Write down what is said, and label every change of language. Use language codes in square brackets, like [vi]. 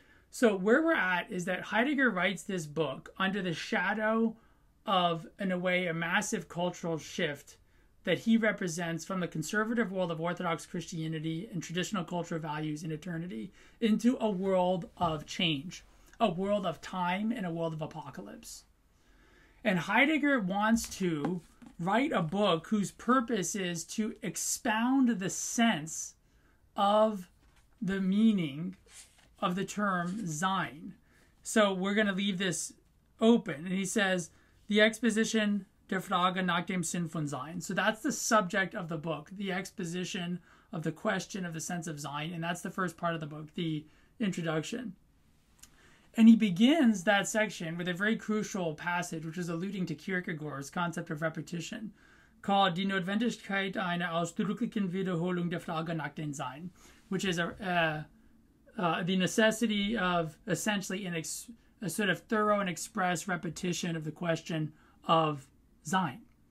[en] So where we're at is that Heidegger writes this book under the shadow of, in a way, a massive cultural shift that he represents from the conservative world of Orthodox Christianity and traditional cultural values in eternity into a world of change, a world of time, and a world of apocalypse. And Heidegger wants to write a book whose purpose is to expound the sense of the meaning of the term sein. So we're going to leave this open. And he says, the exposition [de] der Frage nach dem Sinn von sein. [en] So that's the subject of the book, the exposition of the question of the sense of sein. And that's the first part of the book, the introduction. And he begins that section with a very crucial passage, which is alluding to Kierkegaard's concept of repetition, called [de] die Notwendigkeit einer ausdrücklichen Wiederholung der Frage nach dem Sein, [en] which is the necessity of essentially a sort of thorough and express repetition of the question of sein.